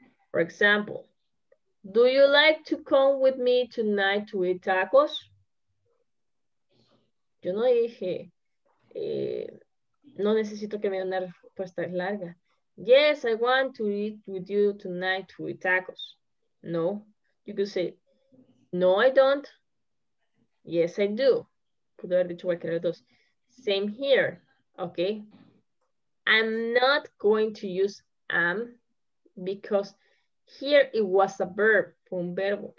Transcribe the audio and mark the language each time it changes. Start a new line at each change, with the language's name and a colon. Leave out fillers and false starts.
English: For example, do you like to come with me tonight to eat tacos?
Spanish: Yo no dije, no necesito que me den una respuesta larga.
English: Yes, I want to eat with you tonight to eat tacos. No, you could say, no, I don't. Yes, I do.
Spanish: Pudo haber dicho cualquiera de dos.
English: Same here, okay? I'm not going to use am because here it was a verb,
Spanish: un verbo.